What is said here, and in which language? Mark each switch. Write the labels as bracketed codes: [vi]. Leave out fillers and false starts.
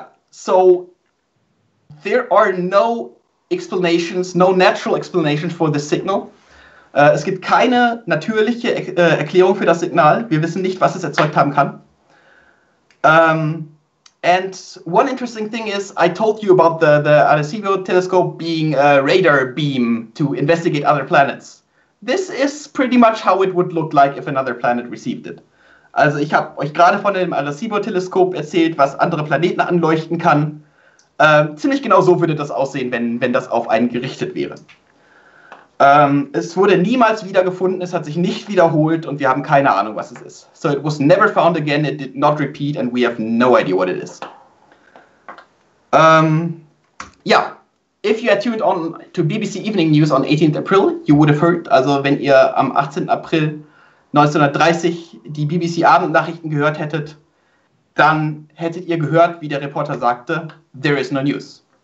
[en] So there are no explanations, no natural explanations for this signal. [de] Es gibt keine natürliche Erklärung für das Signal. Wir wissen nicht, was es erzeugt haben kann. [en] And one interesting thing is, I told you about the Arecibo telescope being a radar beam to investigate other planets. This is pretty much how it would look like if another planet received it. [de] Also ich habe euch gerade von dem Arecibo-Teleskop erzählt, was andere Planeten anleuchten kann. Ziemlich genau so würde das aussehen, wenn das auf einen gerichtet wäre. Es wurde niemals wiedergefunden, es hat sich nicht wiederholt und wir haben keine Ahnung, was es ist. [en] So it was never found again, it did not repeat and we have no idea what it is. Ja, if you had tuned on to BBC Evening News on 18th April, you would have heard, [de] also wenn ihr am 18. April 1930 die BBC Abendnachrichten gehört hättet, dann hättet ihr gehört, wie der Reporter sagte, [en] there is no news.